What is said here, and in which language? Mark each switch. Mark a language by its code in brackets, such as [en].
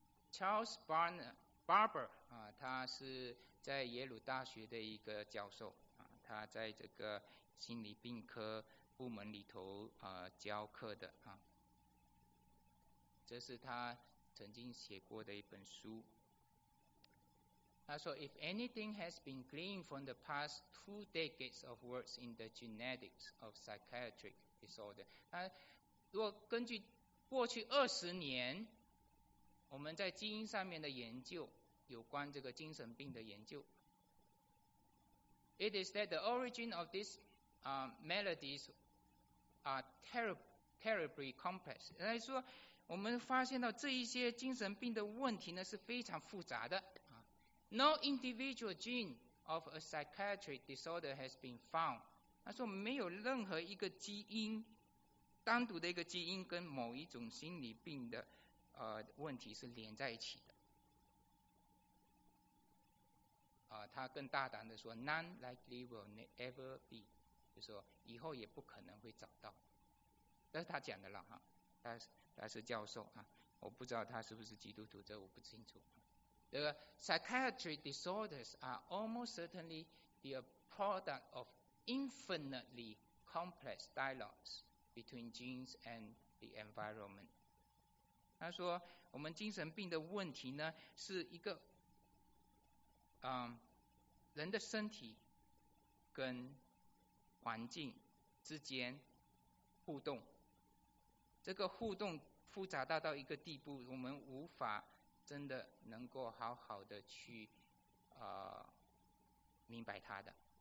[zh] Charles Barber 啊，他是在耶鲁大学的一个教授啊，他在这个心理病科部门里头教课的啊，这是他曾经写过的一本书。 [en] 他说 ，If anything has been gleaned from the past two decades of works in the genetics of psychiatric disorder， [zh] 那如果根据过去二十年我们在基因上面的研究，有关这个精神病的研究 [en] ，It is that the origin of these maladies are terribly complex。 [zh] 来说，我们发现到这一些精神病的问题呢是非常复杂的。 [en] No individual gene of a psychiatric disorder has been found。 [zh] 他说没有任何一个基因，单独的一个基因跟某一种心理病的问题是连在一起的。他更大胆的说 ， [en] None likely will ever be， [zh] 就说以后也不可能会找到。那是他讲的了哈，他是教授啊，我不知道他是不是基督徒，这我不清楚。 [en] The psychiatric disorders are almost certainly the product of infinitely complex dialogues between genes and the environment。 [zh] 他说我们精神病的问题呢是一个人的身体跟环境之间互动，这个互动复杂大到一个地步，我们无法真的能够好好的去明白它的。